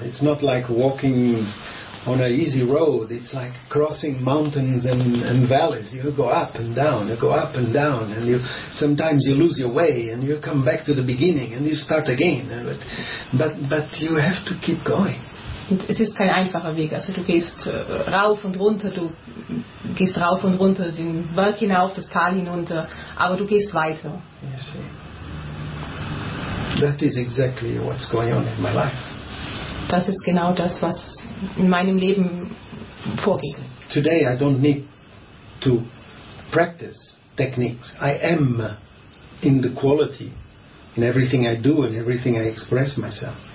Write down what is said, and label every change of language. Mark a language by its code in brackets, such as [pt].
[en] It's not like walking on an easy road. It's like crossing mountains and valleys. You go up and down. You go up and down. And you sometimes you lose your way and you come back to the beginning and you start again. But you have to keep going. [de] Es ist kein einfacher Weg. Also du gehst rauf und runter, du gehst rauf und runter, den Berg hinauf, das Tal hinunter, aber du gehst weiter. [en] You see. That is exactly what's going on in my life. [de] Das ist genau das, was in meinem Leben vorgeht. [en] Today I don't need to practice techniques. I am in the quality, in everything I do and everything I express myself.